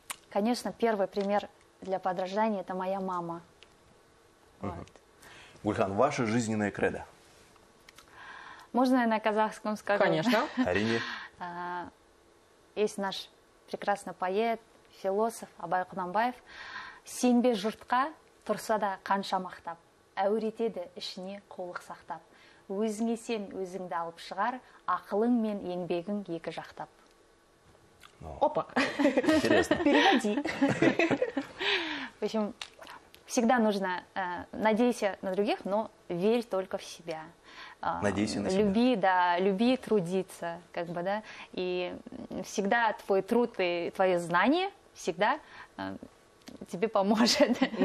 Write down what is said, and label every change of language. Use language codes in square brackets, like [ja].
[ru] Конечно, первый пример для подражания – это моя мама. Вот. Угу. Гульхан, ваше жизненное кредо? Можно я на казахском скажу? Конечно. Арине. Есть наш прекрасный поэт, философ Абай Кунанбаев. [kk] «Синбе журтка турсада канша мақтап, әуретеді ішіне қолық сақтап, өзіңе сен өзіңді алып шығар, ақылың мен еңбегің екі жақтап». [ru] Но. Опа! Интересно. Переводи. В общем, всегда нужно надейся на других, но верь только в себя. Надейся на себя. Люби, да, люби трудиться, как бы, да. И всегда твой труд и твое знание всегда тебе поможет.